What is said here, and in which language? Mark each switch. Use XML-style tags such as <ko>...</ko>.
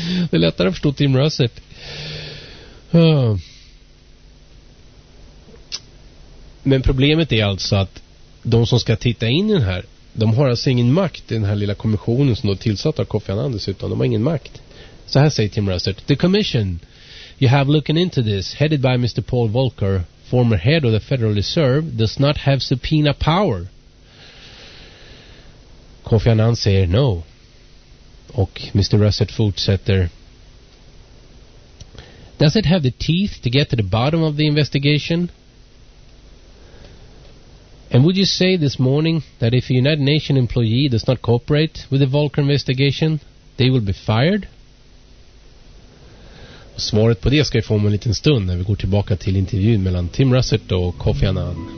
<sv>Det är lättare att förstå Tim Russert. Men problemet är alltså att de som ska titta in i den här, de har alltså ingen makt i den här lilla kommissionen som då tillsatt av Kofi Annan, utan de har ingen makt. Så här säger</sv> <en>Tim Russert: the commission you have looking into this, headed by Mr. Paul Volcker, former head of the Federal Reserve, does not have subpoena power.</en> <sv>Kofi Annan säger no, och Mr.</sv> <en>Russert</en> <sv>fortsätter:</sv> <en>does it have the teeth to get to the bottom of the investigation? And would you say this morning that if a United Nations employee does not cooperate with the Volcker investigation, they will be fired?</en> <sv>Och svaret på det ska vi få om en liten stund när vi går tillbaka till intervjun mellan Tim Russert och Kofi Annan.</sv>